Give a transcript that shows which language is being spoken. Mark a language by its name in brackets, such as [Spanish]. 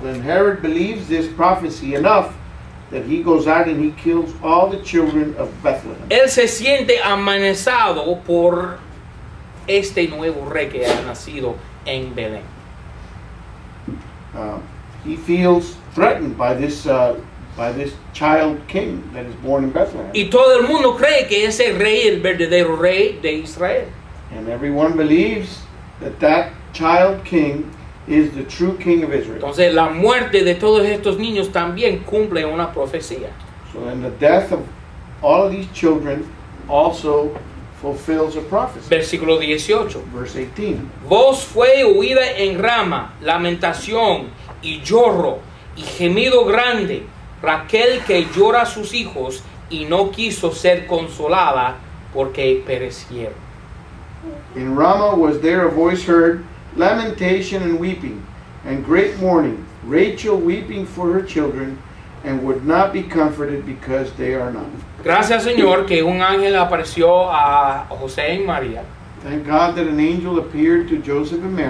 [English] So then Herod believes this prophecy enough that he goes out and he kills all the children of Bethlehem. [Spanish] Él se siente amenazado por este nuevo rey que ha nacido en Belén. [English] He feels threatened by this child king that is born in Bethlehem. [Spanish] Y todo el mundo cree que ese rey es el verdadero rey de Israel. [English] And everyone believes that that child king is the true king of Israel. [Spanish] Entonces la muerte de todos estos niños también cumple una profecía. [English] So then the death of all of these children also fulfills a prophecy. [Spanish] Versículo 18. [English] Verse 18. [Spanish] Voz fue oída en Rama, lamentación y lloro y gemido grande, Raquel que llora a sus hijos y no quiso ser consolada porque perecieron. [English] In Rama was there a voice heard, lamentation and weeping, and great mourning, Rachel weeping for her children and would not be comforted because they are none. [Spanish] Gracias, Señor, que un ángel apareció a José y María. [English] Thank God that an angel appeared to Joseph and Mary.